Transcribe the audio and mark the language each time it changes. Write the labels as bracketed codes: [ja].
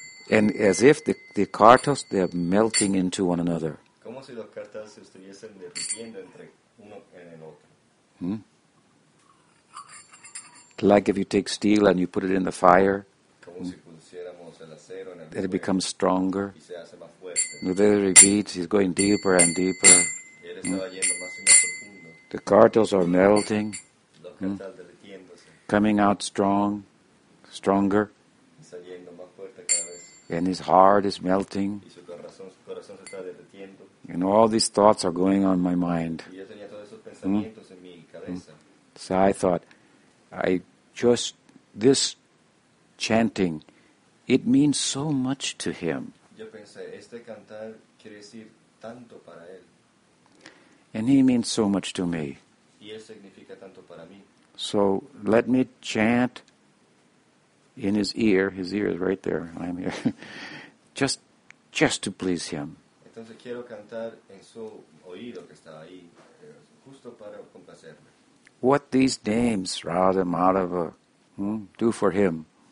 [en] And as if the cartels, they're melting into one another. [es] Como si los cartels estuviesen derritiendo entre uno en el otro. [en] Like if you take steel and you put it in the fire. [es] Como si pusiéramos el acero en el fuego. [en] It becomes stronger. [es] Y se hace más fuerte. [en] And then it repeats, he's going deeper and deeper. [es] Y él estaba yendo más y más profundo. [en] The cartels are melting. [es] Los cartels derritiéndose. [en] Coming out strong, stronger. [es] Y saliendo más fuerte cada vez. [en] And his heart is melting. [es] Y su corazón se está derritiendo. [en] And all these thoughts are going on in my mind. [es] Y yo tenía todos esos pensamientos en mi cabeza. [en] So I thought, this chanting, it means so much to him. [es] Yo pensé, este cantar quiere decir tanto para él. [en] And he means so much to me. [es] Y él significa tanto para mí. [en] So let me chant in his ear is right there, I'm here, just to please him. [es] Entonces quiero cantar en su oído que estaba ahí, justo para complacerme. [en] What these names, Radha, Madhava, do for him.